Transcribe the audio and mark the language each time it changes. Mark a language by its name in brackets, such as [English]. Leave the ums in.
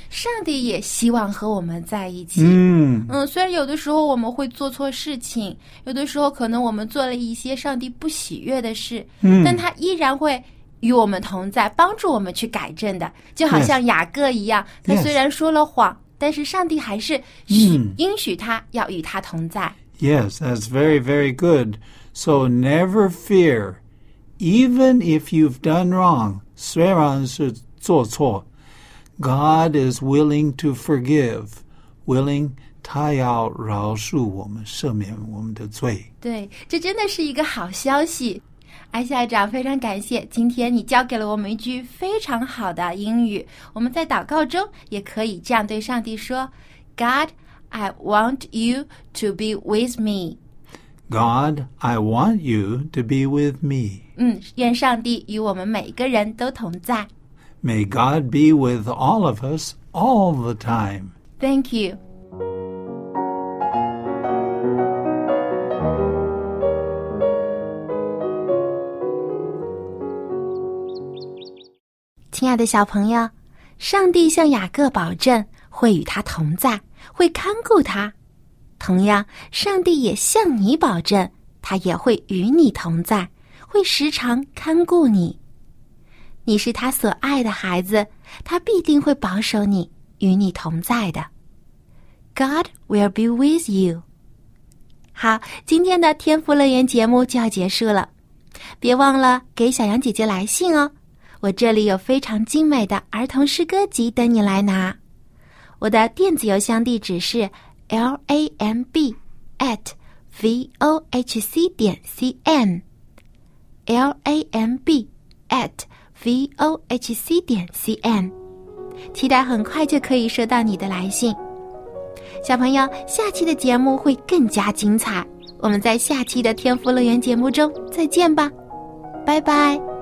[Chinese] 上帝也希望和我们在一起。嗯嗯，虽然有的时候我们会做错事情，有的时候可能我们做了一些上帝不喜悦的事，嗯、但他依然会。与我们同在，帮助我们去改正的，就好像雅各一样，yes. 他虽然说了谎，yes. 但是上帝还是许、mm. 应许他要与他同在。 [English] Yes, that's very, very good. So never fear even if you've done wrong, [Chinese] 虽然是做错, [English] God is willing to forgive, willing [Chinese] 他要饶恕我们，赦免我们的罪。对，这真的是一个好消息。艾校长，非常感谢今天你教给了我们一句非常好的英语。我们在祷告中也可以这样对上帝说： [English] “God, I want you to be with me. God, I want you to be with me.” [Chinese] 嗯，愿上帝与我们每个人都同在。 [English] May God be with all of us all the time. Thank you， [Chinese] 亲爱的，小朋友，上帝向雅各保证会与他同在，会看顾他。同样，上帝也向你保证，他也会与你同在。会时常看顾你，你是他所爱的孩子，他必定会保守你，与你同在的。 [English] God will be with you。 [Chinese] 好，今天的天赋乐园节目就要结束了，别忘了给小杨姐姐来信哦。我这里有非常精美的儿童诗歌集等你来拿。我的电子邮箱地址是 l a m b at v o h c 点 c m。 l a m b at v o h c 点 c m，期待很快就可以收到你的来信。小朋友，下期的节目会更加精彩，我们在下期的天赋乐园节目中再见吧，拜拜。